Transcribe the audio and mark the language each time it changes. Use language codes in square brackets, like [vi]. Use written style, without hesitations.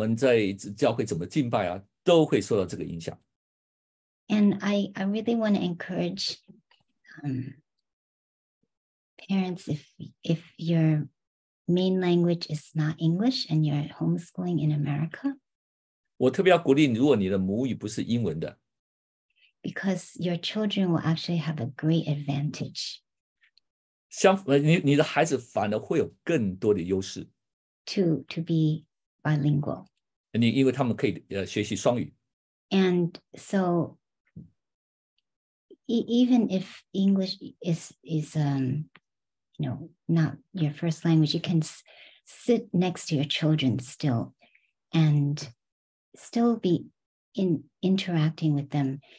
[zh] 所以你会开始从这样的在这就开始影响说，哎，你我们应该怎么去度，我们要如何度假呢？我们的娱乐生活啊，我们在教会怎么敬拜啊，都会受到这个影响。 [en] And I really want to encourage parents, if your main language is not English and you're homeschooling in America, [zh] 我特别要鼓励你，如果你的母语不是英文的， [en] because your children will actually have a great advantage. [zh] 相反，你的孩子反而会有更多的优势。 [en] To be bilingual. [zh] 因为他们可以学习双语。 [en] And so, even if English is you know, not your first language, you can sit next to your children still and still be interacting with them.